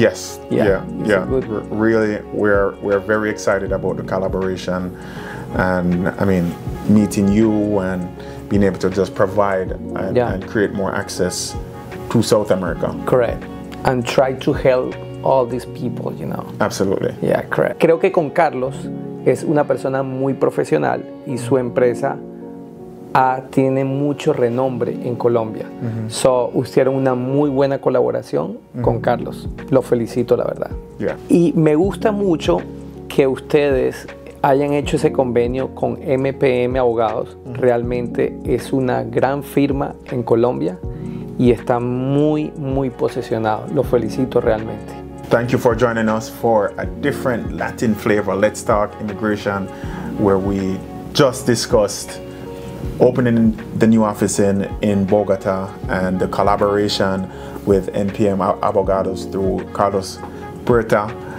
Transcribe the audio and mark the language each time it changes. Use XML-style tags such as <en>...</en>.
<en>Yes, we're very excited about the collaboration. And I mean, meeting you and being able to just provide and create more access to South America. Correct. And try to help all these people, you know. Absolutely. Yeah, correct.</en> <es>Creo que con Carlos es una persona muy profesional y su empresa tiene mucho renombre en Colombia. Mm-hmm. So, hicieron una muy buena colaboración con Carlos. Lo felicito, la verdad.</es> <en>Yeah.</en> <es>Y me gusta mucho que ustedes hayan hecho ese convenio con MPM Abogados. Realmente es una gran firma en Colombia y está muy, muy posicionado. Lo felicito realmente.</es> <en>Thank you for joining us for a different Latin flavor. Let's Talk Immigration, where we just discussed opening the new office in Bogota and the collaboration with MPM Abogados through Carlos Preta.</en>